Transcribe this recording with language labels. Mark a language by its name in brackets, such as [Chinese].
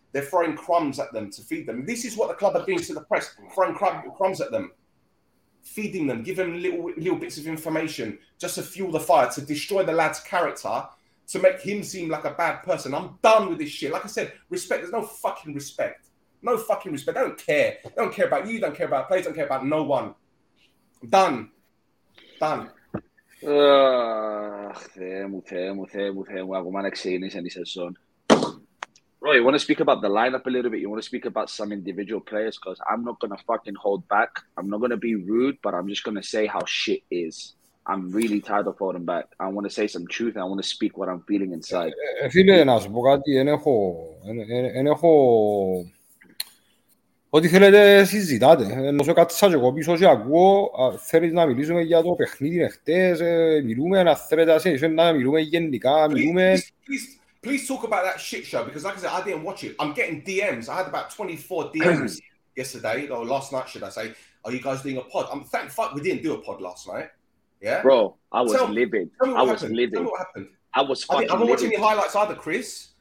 [English] They're throwing crumbs at them to feed them. This is what the club are doing to the press, throwing crumbs at them, feeding them, giving them little bits of information just to fuel the fire, to destroy the lad's character, to make him seem like a bad person. I'm done with this shit. Like I said, respect. There's no fucking respect. No fucking respect. They don't care. They don't care about you. They don't care about players. They don't care about no one. Done. Done. [Greek] Oh, Θεέ μου, ακόμα να ξεκινήσει η σεζόν. [English] Bro, you want to speak about the lineup a little bit? You want to speak about some individual players? Because I'm not going to fucking hold back. I'm not going to be rude, but I'm just going to say how shit is. I'm really tired of holding back. I want to say some truth. And I want to speak what I'm feeling inside. [Greek] Φίλε, να σου πω κάτι. Εν έχω... Ό,τι θέλετε, συζητάτε. Ενώ σε κάτι σαν και εγώ πίσω, όσοι ακούω, θέλετε να μιλήσουμε για το παιχνίδι νεχτές, μιλούμε, να θέλετε να μιλούμε γενικά, μιλούμε... [English] Please talk about that shit show, because like I said, I didn't watch it. I'm getting DMs. I had about 24 DMs yesterday, or last night, should I say. Are you guys doing a pod? I'm thank fuck we didn't do a pod last night. Yeah? Bro, I was livid. I was fucking livid. I'm not watching the highlights either, Chris.